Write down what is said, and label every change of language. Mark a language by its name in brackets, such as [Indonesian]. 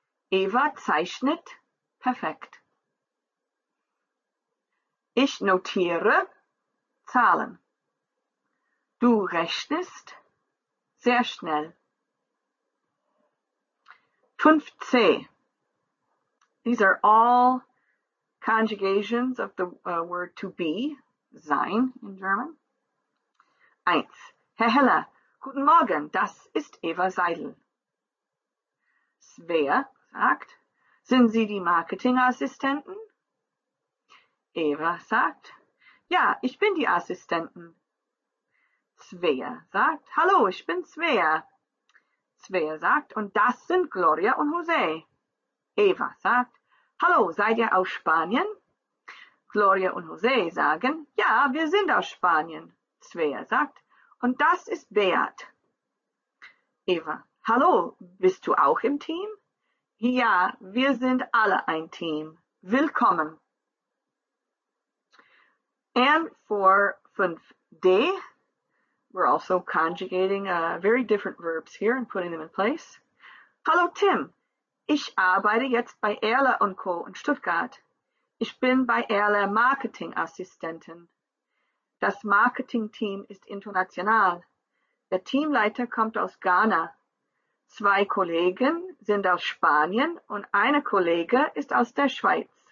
[German] Eva zeichnet perfekt. Ich notiere Zahlen. Du rechnest sehr schnell. 5c. [English] These are all conjugations of the word to be, sein in German. 1. [German] Herr Heller, guten Morgen, das ist Eva Seidel. Svea sagt, sind Sie die Marketingassistenten? Eva sagt, ja, ich bin die Assistentin. Svea sagt, hallo, ich bin Svea. Svea sagt, und das sind Gloria und José. Eva sagt, hallo, seid ihr aus Spanien? Gloria und José sagen, ja, wir sind aus Spanien. Svea sagt, und das ist Beat. Eva, hallo, bist du auch im Team? Ja, wir sind alle ein Team. Willkommen. [English] And for 5D. We're also conjugating very different verbs here and putting them in place. [German] Hallo Tim, ich arbeite jetzt bei Erle & Co. in Stuttgart. Ich bin bei Erle Marketingassistentin. Das Marketingteam ist international. Der Teamleiter kommt aus Ghana. Zwei Kollegen sind aus Spanien und eine Kollege ist aus der Schweiz.